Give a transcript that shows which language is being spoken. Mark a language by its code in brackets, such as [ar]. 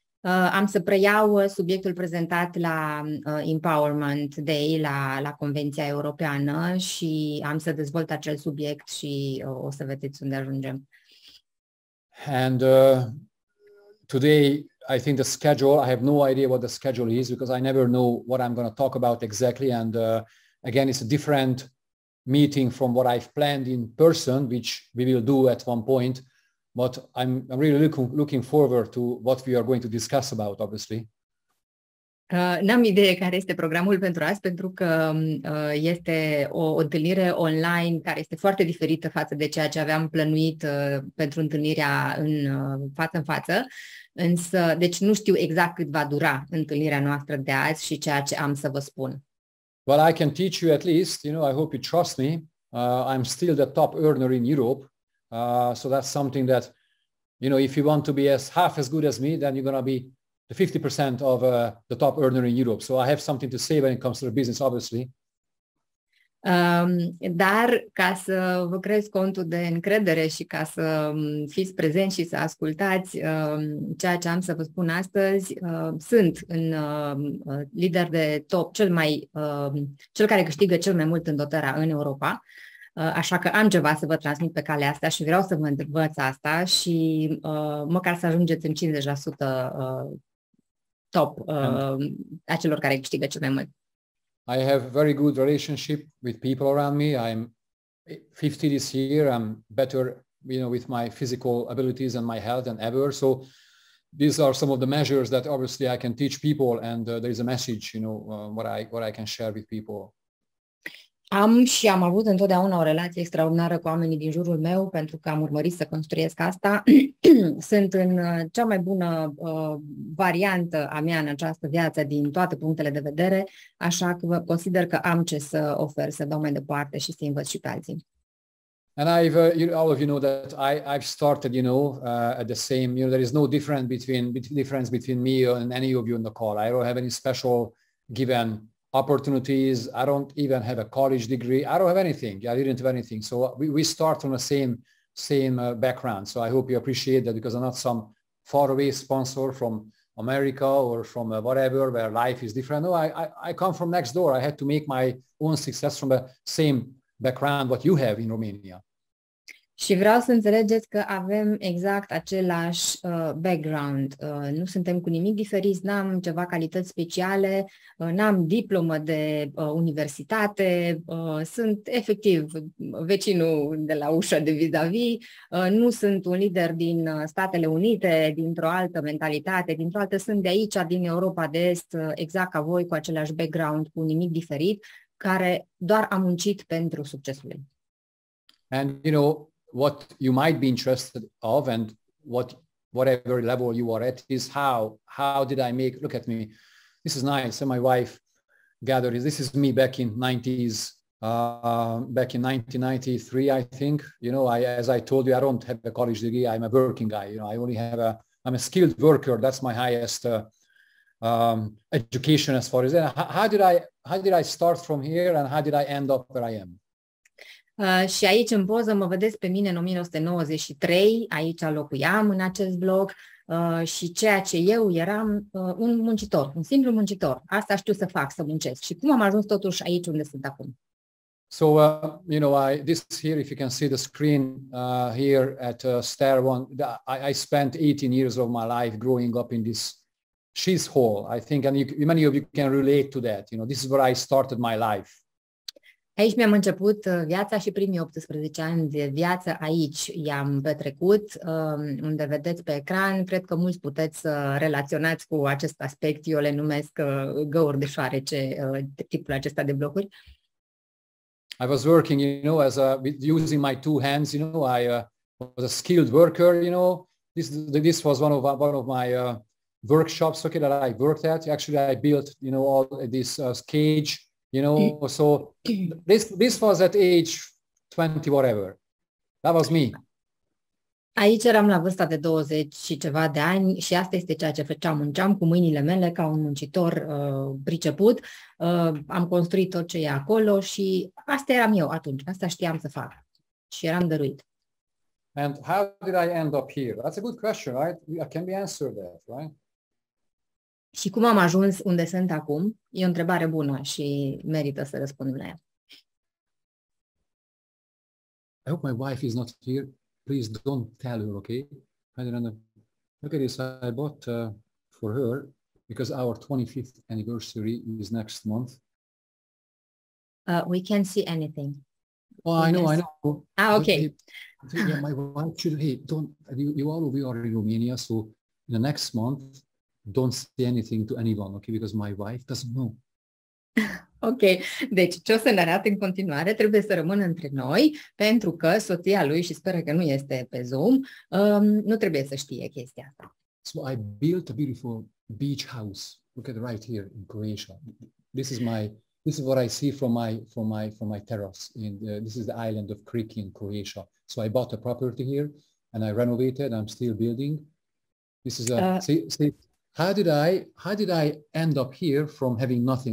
[ro] Am să preiau subiectul prezentat la Empowerment Day, la Convenția Europeană, și am să dezvolt acel subiect și o să vedeți unde ajungem. [en] And today, I think the schedule, I have no idea what the schedule is, because I never know what I'm going to talk about exactly. And again, it's a different meeting from what I've planned in person, which we will do at one point. But I'm really looking forward to what we are going to discuss about, obviously. [ro] N-am idee care este programul pentru azi, pentru că este o întâlnire online care este foarte diferită față de ceea ce aveam plănuit pentru întâlnirea în față în față. Însă, deci nu știu exact cât va dura întâlnirea noastră de azi și ceea ce am să vă spun. [en] Well, I can teach you at least, you know, I hope you trust me. I'm still the top earner in Europe. So that's something that, you know, if you want to be as half as good as me, then you're going to be the 50% of the top earner in Europe. So I have something to say when it comes to the business, obviously. [ro] Dar ca să vă creezi contul de încredere și ca să fiți prezenți și să ascultați ceea ce am să vă spun astăzi, sunt în lider de top, cel care câștigă cel mai mult în dotarea în Europa. Așa că am ceva să vă transmit pe calea asta și vreau să vă învăț asta și măcar să ajungeți în 50% top a celor care câștigă cel mai mult. [en] I have very good relationship with people around me. I'm 50 this year. I'm better, you know, with my physical abilities and my health than ever. So these are some of the measures that obviously I can teach people, and there is a message, you know, what I can share with people. [ro] Am și am avut întotdeauna o relație extraordinară cu oamenii din jurul meu, pentru că am urmărit să construiesc asta. Sunt în cea mai bună variantă a mea în această viață din toate punctele de vedere, așa că consider că am ce să ofer, să dau mai departe și să învăț și pe alții. [en] And I've all of you know that I've started, you know, at the same, you know, there is no difference between me and any of you in the call. I don't have any special given opportunities. I don't even have a college degree. I don't have anything. I didn't have anything. So we start from the same background. So I hope you appreciate that, because I'm not some faraway sponsor from America or from whatever where life is different. No, I come from next door. I had to make my own success from the same background what you have in Romania. [ro] Și vreau să înțelegeți că avem exact același background. Nu suntem cu nimic diferiți, n-am ceva calități speciale, n-am diplomă de universitate, sunt efectiv vecinul de la ușa de vis-a-vis, nu sunt un lider din Statele Unite, dintr-o altă mentalitate, dintr-o altă, sunt de aici, din Europa de Est, exact ca voi, cu același background, cu nimic diferit, care doar a muncit pentru succesul. [en] And you know, what you might be interested of and whatever level you are at is how did I make, look at me, this is nice, and my wife gathered, this is me back in 90s, back in 1993, I think, you know, as I told you, I don't have a college degree, I'm a working guy, you know, I'm a skilled worker, that's my highest education as far as that. How did I start from here and how did I end up where I am? [ro] Și aici în poză mă vedeți pe mine în 1993, aici locuiam în acest bloc și ceea ce eu eram, un muncitor, un simplu muncitor. Asta știu să fac, să muncesc. Și cum am ajuns totuși aici unde sunt acum? [en] So, you know, this here, if you can see the screen here at Stair One, I spent 18 years of my life growing up in this cheese hole, I think, and many of you can relate to that. You know, this is where I started my life. [ro] Aici mi-am început viața și primii 18 ani de viață aici i-am petrecut, unde vedeți pe ecran. Cred că mulți puteți să relaționați cu acest aspect. Eu le numesc găuri de șoarece, tipul acesta de blocuri. [en] I was working, you know, as a, with using my two hands, you know, I was a skilled worker, you know, this was one of my workshops, okay, that I worked at. Actually, I built, you know, all this cage, you know, so this was at age 20, whatever. That was me. [ro] Aici eram la vârsta de 20 și ceva de ani și asta este ceea ce făceam. Munceam cu mâinile mele ca un muncitor priceput. Am construit tot ce e acolo și asta eram eu atunci. Asta știam să fac. Și eram dăruit. [en] And how did I end up here? That's a good question, right? I can be answered that, right? [ro] Și cum am ajuns unde sunt acum? E o întrebare bună și merită să răspund la ea. [en] I hope my wife is not here. Please don't tell her, okay? I don't know. Look at this. I bought for her because our 25th anniversary is next month. We can't see anything. Oh, because... I know. Ah, okay. Yeah, my wife should, hey, don't, you all of you are in Romania, so in the next month, don't say anything to anyone, okay? Because my wife doesn't know. [ro] Ok, deci ce o să ne arate în continuare trebuie să rămână între noi pentru că soția lui, și speră că nu este pe Zoom, nu trebuie să știe chestia asta. [en] So I built a beautiful beach house. Look at it right here in Croatia. This is what I see from my terrace. In this is the island of Krk in Croatia. So I bought a property here and I renovated. I'm still building. This is a How did I end up here from having nothing?